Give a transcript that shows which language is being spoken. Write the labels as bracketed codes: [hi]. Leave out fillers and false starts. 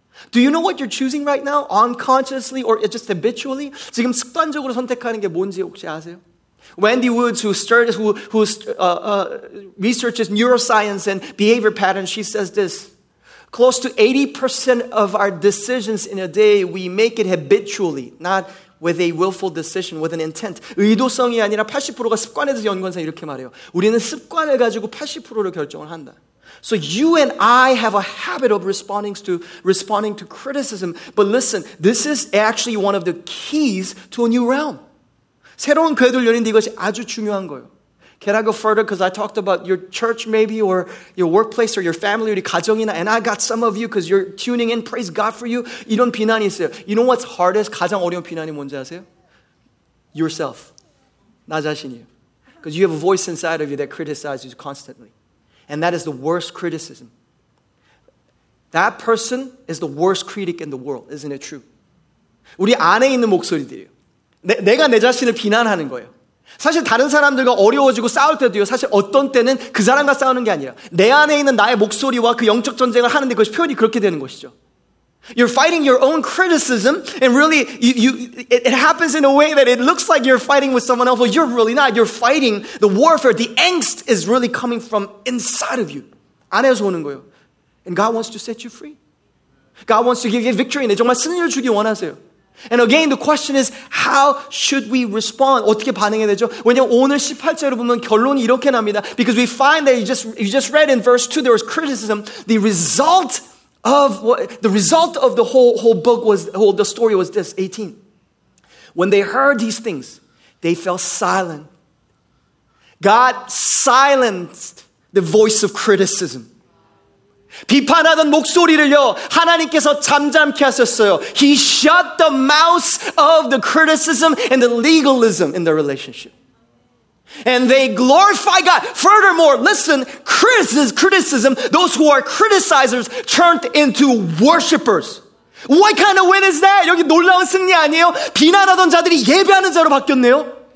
[en] Do you know what you're choosing right now, unconsciously or just habitually? [ko] 지금 습관적으로 선택하는 게 뭔지 혹시 아세요? [en] Wendy Woods, researches neuroscience and behavior patterns, she says this. Close to 80% of our decisions in a day, we make it habitually, not with a willful decision, with an intent. [ko] 의도성이 아니라 80%가 습관에 대해서 연관상 이렇게 말해요. 우리는 습관을 가지고 80%를 결정을 한다. [en] So you and I have a habit of responding to criticism. But listen, this is actually one of the keys to a new realm. [ko] 새로운 교회를 열는데 이것이 아주 중요한 거예요. [en] Can I go further? Because I talked about your church maybe or your workplace or your family or your [ko] 가정이나 [en] and I got some of you because you're tuning in. Praise God for you. [ko] 이런 비난이 있어요. [en] You know what's hardest? [ko] 가장 어려운 비난이 뭔지 아세요? [en] Yourself. [ko] 나 자신이에요. [en] Because you have a voice inside of you that criticizes you constantly. And that is the worst criticism. That person is the worst critic in the world. Isn't it true? [ko] 우리 안에 있는 목소리들이에요. 내가 내 자신을 비난하는 거예요. 사실 다른 사람들과 어려워지고 싸울 때도요. 사실 어떤 때는 그 사람과 싸우는 게 아니라 내 안에 있는 나의 목소리와 그 영적 전쟁을 하는데 그것이 표현이 그렇게 되는 것이죠. [en] You're fighting your own criticism and really it happens in a way that it looks like you're fighting with someone else, but you're really not. You're fighting the warfare. The angst is really coming from inside of you. [ko] 안에서 오는 거예요. [en] And God wants to set you free. God wants to give you victory. [ko] 내 정말 승리를 주기 원하세요. [en] And again, the question is, how should we respond? [ko] 어떻게 반응해야 되죠? 왜냐하면 오늘 18절을 보면 결론이 이렇게 납니다. [en] Because we find that you just read in verse 2, there was criticism. The result of the whole story was this, 18. When they heard these things, they fell silent. God silenced the voice of criticism. [ko] 비판하던 목소리를요 하나님께서 잠잠케 하셨어요. [en] He shut the mouth of the criticism and the legalism in their relationship. And they glorify God. Furthermore, listen, criticism, those who are criticizers turned into worshipers. What kind of win is that? [ko] 여기 놀라운 승리 아니에요? 비난하던 자들이 예배하는 자로 바뀌었네요.